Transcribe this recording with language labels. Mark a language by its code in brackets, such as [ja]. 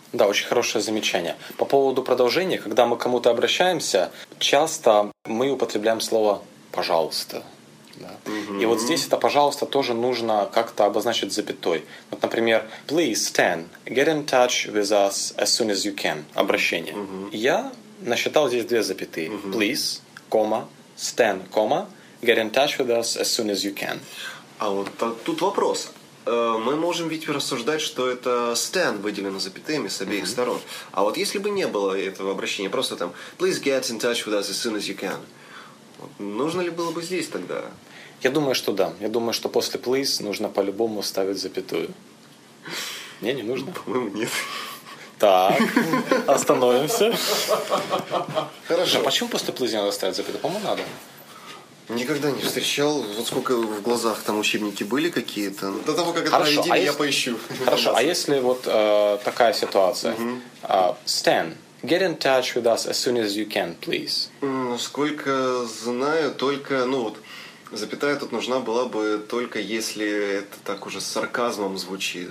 [ru] Да, очень хорошее замечание. По поводу продолжения, когда мы к кому-то обращаемся, часто мы употребляем слово «пожалуйста». Да. Mm-hmm. И вот здесь это «пожалуйста» тоже нужно как-то обозначить запятой. Вот, например, [en] «Please, Stan, get in touch with us as soon as you can». [ru] Обращение. [en] Mm-hmm. [ru] Я насчитал здесь две запятые. Mm-hmm. [en] «Please, comma, Stan, comma, get in touch with us as soon as you can». [ru] А вот тут вопрос. Мы можем ведь рассуждать, что это Stan выделено запятыми с обеих mm-hmm. сторон. А вот если бы не было этого обращения, просто там [en] «Please get in touch with us as soon as you can». [ru] Нужно ли было бы здесь тогда? Я думаю, что да. Я думаю, что после «please» нужно по-любому ставить запятую. Мне не нужно? По-моему, нет. Так, остановимся. Хорошо. А почему после «please» надо ставить запятую? По-моему, надо. Никогда не встречал. Вот сколько в глазах там учебники были какие-то. До того, как это проведили, я поищу. Хорошо, а если вот такая ситуация? [en] Stan. Get in touch with us as soon as you can, please. [ru] Насколько знаю, только, ну вот, запятая тут нужна была бы только если это так уже с сарказмом звучит.